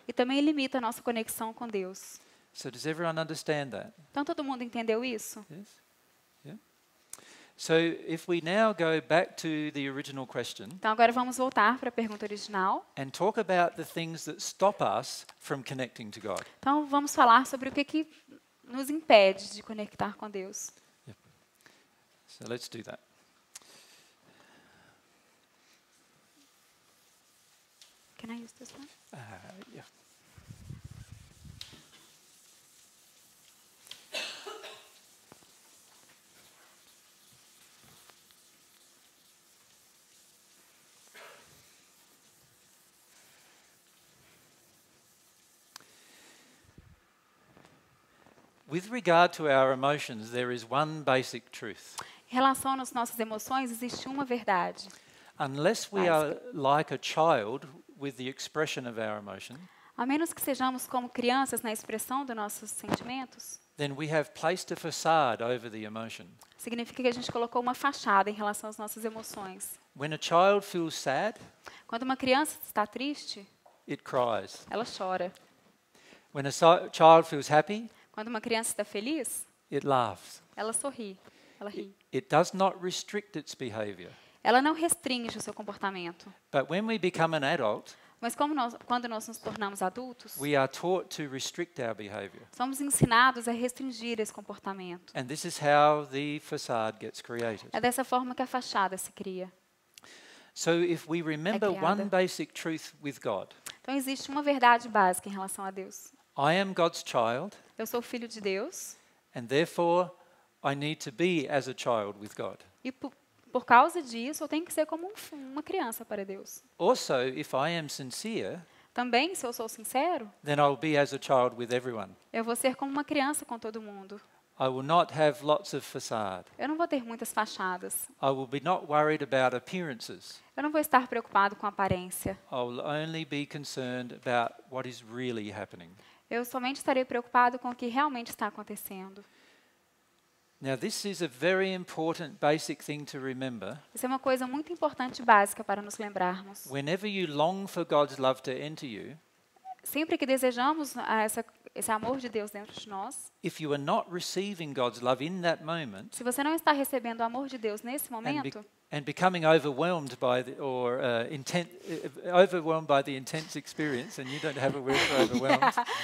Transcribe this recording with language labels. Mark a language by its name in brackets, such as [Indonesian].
[Portuguese] E também limita a nossa conexão com Deus. [English] So does everyone understand that? [Portuguese] Então todo mundo entendeu isso? [English] Yes. Yeah. So if we now go back to the original question. [Portuguese] Então agora vamos voltar para a pergunta original. [English] And talk about the things that stop us from connecting to God. [Portuguese] Então vamos falar sobre o que nos impede de conectar com Deus. [English] Yeah. So let's do that. Can I use this one? Yeah. With regard to our emotions, there is one basic truth. [Portuguese] Em relação às nossas emoções, existe uma verdade. [English] Unless we are like a child with the expression of our emotion, [Portuguese] a menos que sejamos como crianças na expressão dos nossos sentimentos, [English] then we have placed a facade over the emotion. [Portuguese] Significa que a gente colocou uma fachada em relação às nossas emoções. [English] When a child feels sad, [Portuguese] quando uma criança está triste, [English] It cries. [Portuguese] Ela chora. [English] When a child feels happy, [Portuguese] quando uma criança está feliz, [English] it laughs. [Portuguese] Ela sorri. Ela ri. [English] It does not restrict its behavior. [Portuguese] Ela não restringe o seu comportamento. [English] But when we become an adult, [Portuguese] mas como nós, quando nós nos tornamos adultos, [English] we are taught to restrict our behavior. [Portuguese] Somos ensinados a restringir esse comportamento. [English] And this is how the facade gets created. [Portuguese] É dessa forma que a fachada se cria. [English] So if we remember one basic truth with God, [Portuguese] então existe uma verdade básica em relação a Deus. [English] I am God's child. [Portuguese] Eu sou filho de Deus. [English] And therefore, I need to be as a child with God. [Portuguese] E por causa disso, eu tenho que ser como uma criança para Deus. [English] Also, if I am sincere, [Portuguese] também se eu sou sincero, [English] then I'll be as a child with everyone. [Portuguese] Eu vou ser como uma criança com todo mundo. [English] I will not have lots of facade. [Portuguese] Eu não vou ter muitas fachadas. [English] I will be not worried about appearances. [Portuguese] Eu não vou estar preocupado com a aparência. [English] I will only be concerned about what is really happening. [Portuguese] Eu somente estarei preocupado com o que realmente está acontecendo. [English] Now this is a very important basic thing to remember. [Portuguese] Isso é uma coisa muito importante e básica para nos lembrarmos. [English] Whenever you long for God's love to enter you, [Portuguese] sempre que desejamos esse amor de Deus dentro de nós, [English] if you are not receiving God's love in that moment, [Portuguese] se você não está recebendo o amor de Deus nesse momento, [English] and becoming overwhelmed by the overwhelmed by the intense experience, and you don't have a word for overwhelmed,